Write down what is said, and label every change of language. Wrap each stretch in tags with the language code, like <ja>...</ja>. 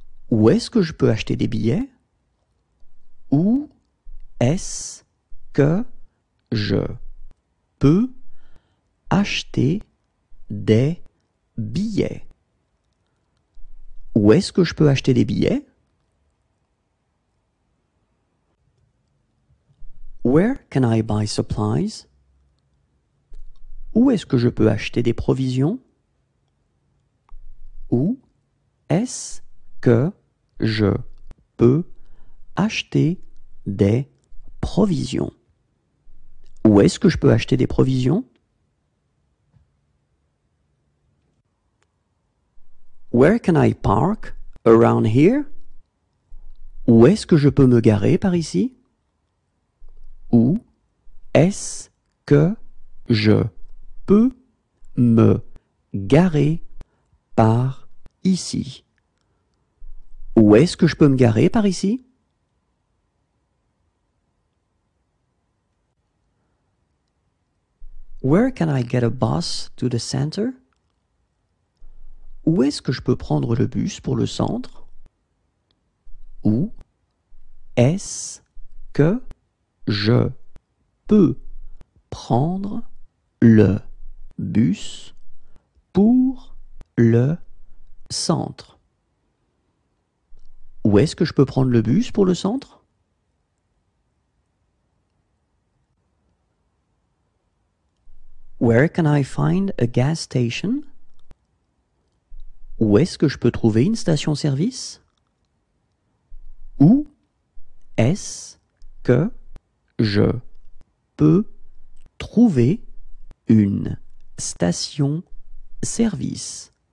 <fr>Où est-ce que je peux acheter des billets? Où est-ce que je peux acheter des billets? Billets. Où est-ce que je peux acheter des billets?</fr> <en>Where can I buy supplies?</en> <fr>Où est-ce que je peux acheter des provisions? Où est-ce que je peux acheter des provisions? Où est-ce que je peux acheter des provisions?</fr> <en>Where can I park around here?</en> <fr>Où est-ce que je peux me garer par ici? Où est-ce que je peux me garer par ici? Où est-ce que je peux me garer par ici?</fr> <en>Where can I get a bus to the center?</en> <fr>Où est-ce que je peux prendre le bus pour le centre? Où est-ce que je peux prendre le bus pour le centre? Où est-ce que je peux prendre le bus pour le centre?</fr> <en>Where can I find a gas station?</en> <fr>Où est-ce que je peux trouver une station-service? Où est-ce que je peux trouver une station-service?</fr>